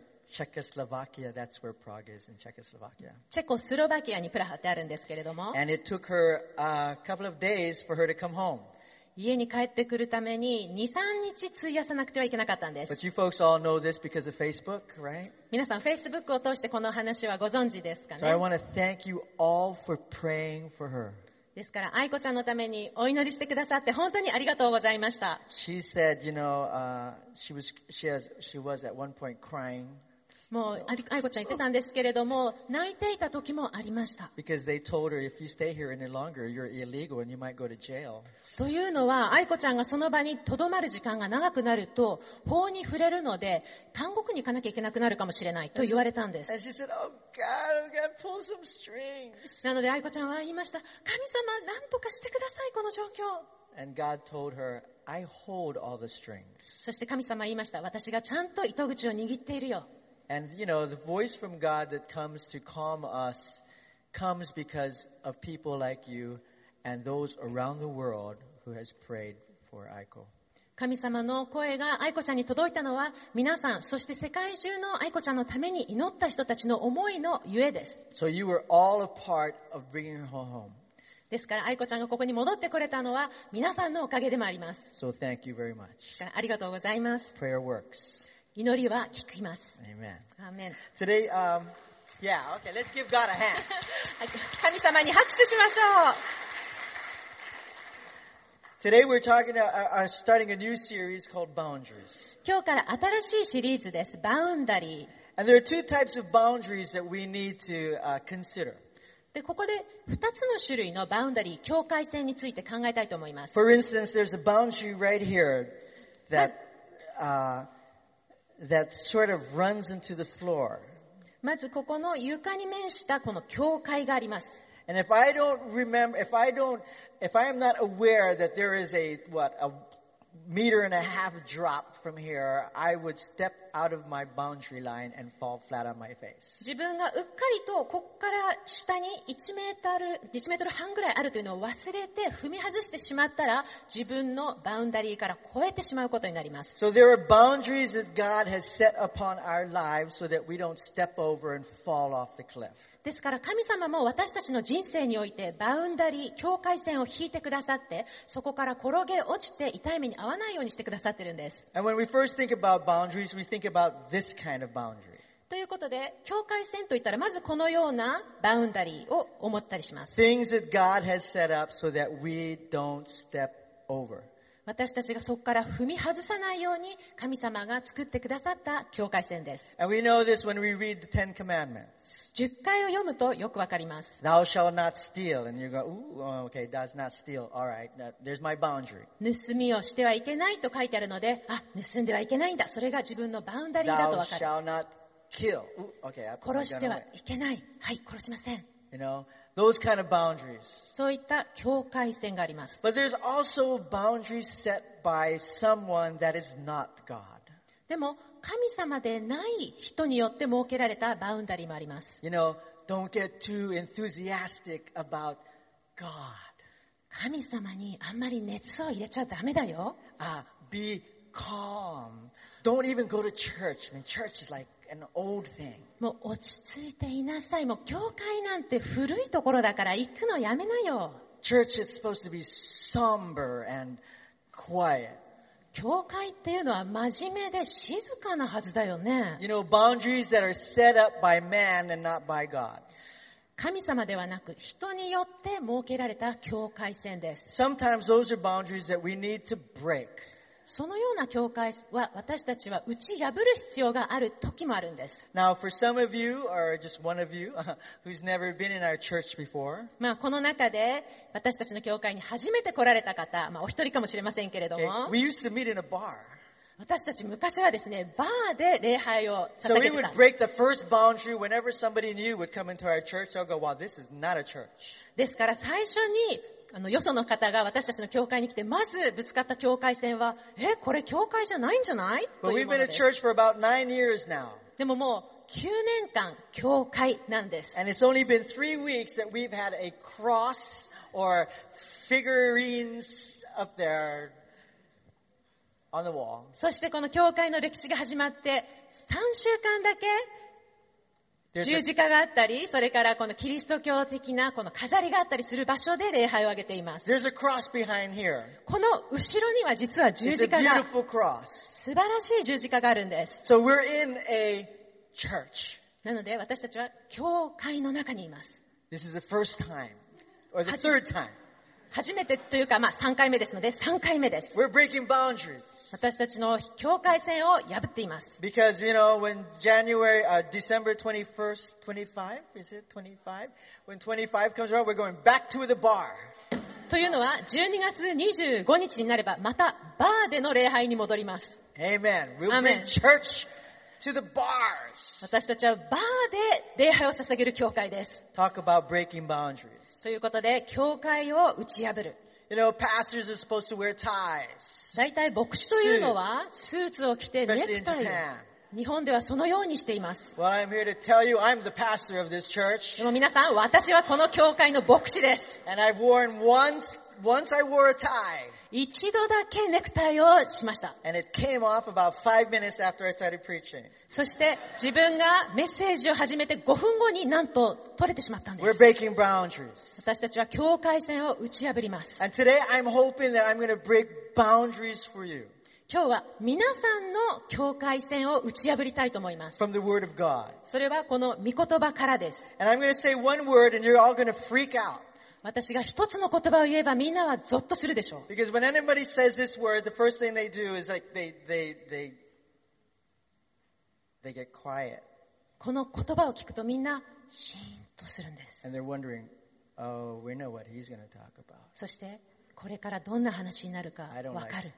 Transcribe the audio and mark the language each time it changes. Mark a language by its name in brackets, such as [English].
[English] Czechoslovakia, that's where Prague is in Czechoslovakia. [Japanese] チェコスロバキアにプラハってあるんですけれども。 [English] And it took her a couple of days for her to come home. [Japanese] 家に帰ってくるために2、3日費やさなくてはいけなかったんです。 [English] But you folks all know this because of Facebook, right? [Japanese] 皆さん、Facebook を通してこの話はご存知ですかね。 [English] So I want to thank you all for praying for her. [Japanese] ですから愛子ちゃんのためにお祈りしてくださって本当にありがとうございました。 [English] She said, you know, she was at one point crying. [Japanese] もう愛子ちゃん言ってたんですけれども、泣いていた時もありました。 [English] Because they told her if you stay here any longer, you're illegal and you might go to jail. [Japanese] というのは愛子ちゃんがその場に留まる時間が長くなると法に触れるので監獄に行かなきゃいけなくなるかもしれないと言われたんです。 [English] And she said, oh God, oh God, pull some strings. [Japanese] なので愛子ちゃんは言いました。神様、何とかしてください、この状況。 [English] And God told her, I hold all the strings. [Japanese] そして神様は言いました。私がちゃんと糸口を握っているよ。 [English] And you know, the voice from God that comes to calm us comes because of people like you and those around the world who has prayed for Aiko. [Japanese] 神様の声が愛子ちゃんに届いたのは皆さん、そして世界中の愛子ちゃんのために祈った人たちの思いのゆえです。 [English] So you were all a part of bringing her home. [Japanese] ですから愛子ちゃんがここに戻ってこれたのは皆さんのおかげでもあります。 [English] So thank you very much. [Japanese] ありがとうございます。 [English] Prayer works. [Japanese] 祈りは聞きます。 [English] Amen. Amen. Today, yeah, okay, let's give God a hand. [Japanese] 神様に拍手しましょう。 [English] Today we're talking about, starting a new series called Boundaries. [Japanese] 今日から新しいシリーズです。 [English] Boundary. And there are two types of boundaries that we need to consider. [Japanese] で、ここで2つの種類のバウンダリー、境界線について考えたいと思います。 [English] For instance, there's a boundary right here that, that sort of runs into the floor. [Japanese] まずここの床に面したこの境界があります。 [English] And if I don't remember, if I am not aware that there is a meter and a half drop from here, I would step out of my boundary line and fall flat on my face. [Japanese] 自分がうっかりとこっから下に1メートル半ぐらいあるというのを忘れて踏み外してしまったら、自分のバウンダリーから超えてしまうことになります。 [English] So there are boundaries that God has set upon our lives so that we don't step over and fall off the cliff. [Japanese] ですから神様も私たちの人生においてバウンダリー、境界線を引いてくださって、そこから転げ落ちて痛い目に遭わないようにしてくださっているんです。 [English] And when we first think about boundaries, we think about this kind of boundary. [Japanese] ということで、境界線といったらまずこのようなバウンダリーを思ったりします。 [English] Things that God has set up so that we don't step over. [Japanese] 私たちがそこから踏み外さないように神様が作ってくださった境界線です。 [English] And we know this when we read the Ten Commandments. [Japanese] 十戒を読むとよくわかります。 [English] Thou shalt not steal. And you go, ooh, okay, does not steal. All right, there's my boundary. [Japanese] 盗みをしてはいけないと書いてあるので、あ、盗んではいけないんだ。それが自分のバウンダリーだとわかる。 [English] Thou shalt not kill. Ooh, okay, I'm gonna... [Japanese] 殺してはいけない。はい、殺しません。 [English] You know? Those kind of boundaries. [Japanese] そういった境界線があります。 [English] But there's also boundaries set by someone that is not God. [Japanese] でも神様でない人によって設けられたバウンダリーもあります。 [English] You know, don't get too enthusiastic about God. [Japanese] 神様にあんまり熱を入れちゃダメだよ。 [English] Be calm. Don't even go to church. I mean, church is like. An old thing. [Japanese] もう落ち着いていなさい。もう教会なんて古いところだから行くのやめなよ。 [English] Church is supposed to be somber and quiet. [Japanese] 教会っていうのは真面目で静かなはずだよね。 [English] You know, boundaries that are set up by man and not by God. [Japanese] 神様ではなく人によって設けられた境界線です。 [English] Sometimes those are boundaries that we need to break. [Japanese] そのような境界は私たちは打ち破る必要がある時もあるんです。 [English] Now, for some of you, or just one of you, who's never been in our church before, [Japanese] まあこの中で私たちの教会に初めて来られた方、まあお一人かもしれませんけれども、 [English] okay. We used to meet in a bar. [Japanese] 私たち昔はですね、バーで礼拝を捧げてた。 [English] So we would break the first boundary whenever somebody new would come into our church. They'll go, "Wow, this is not a church." [Japanese] ですから最初に。よその方が私たちの教会に来てまずぶつかった境界線は、え、これ教会じゃないんじゃない？ [English] But we've been a church for about 9 years now. [Japanese] でももう9年間教会なんです。 [English] And it's only been 3 weeks that we've had a cross or figurines up there on the wall. [Japanese] そしてこの教会の歴史が始まって3週間だけ十字架があったり、それからこのキリスト教的なこの飾りがあったりする場所で礼拝をあげています。 [English] There's a cross behind here. [Japanese] この後ろには実は十字架が、 [English] It's a beautiful cross. [Japanese] 素晴らしい十字架があるんです。 [English] So we're in a church. [Japanese] なので私たちは教会の中にいます。 [English] This is the first time, or the third time. [Japanese] 初めてというか、まあ3回目ですので3回目です。 [English] We're breaking boundaries. [Japanese] 私たちの境界線を破っています。 [English] Because, you know, when January, December 21st, 25, is it 25? When 25 comes around, we're going back to the bar. [Japanese] というのは、12月25日になれば、またバーでの礼拝に戻ります。 [English] Amen. We'll be in church to the bars. [Japanese] 私たちはバーで礼拝を捧げる教会です。 [English] Talk about breaking boundaries. [Japanese] ということで、境界を打ち破る。 [English] You know, pastors are supposed to wear ties. [Japanese] 大体牧師というのはスーツを着てネクタイを。日本ではそのようにしています。 [English] Well, I'm here to tell you, I'm the pastor of this church. [Japanese] でも皆さん、私はこの教会の牧師です。 [English] And I've worn once I wore a tie. [Japanese] 一度だけネクタイをしました。 [English] And it came off about 5 minutes after I started preaching. [Japanese] そして自分がメッセージを始めて5分後になんと取れてしまったんです。 [English] We're breaking boundaries. [Japanese] 私たちは境界線を打ち破ります。 [English] And today I'm hoping that I'm going to break boundaries for you. [Japanese] 今日は皆さんの境界線を打ち破りたいと思います。 [English] From the word of God. [Japanese] それはこの御言葉からです。 [English] And I'm going to say one word and you're all going to freak out. [Japanese] 私が一つの言葉を言えばみんなはゾッとするでしょう。 [English] Because when anybody says this word, the first thing they do is like they get quiet. [Japanese] この言葉を聞くとみんなシーンとするんです。 [English] And they're wondering, oh, we know what he's going to talk about. [Japanese] そしてこれからどんな話になるか分かる。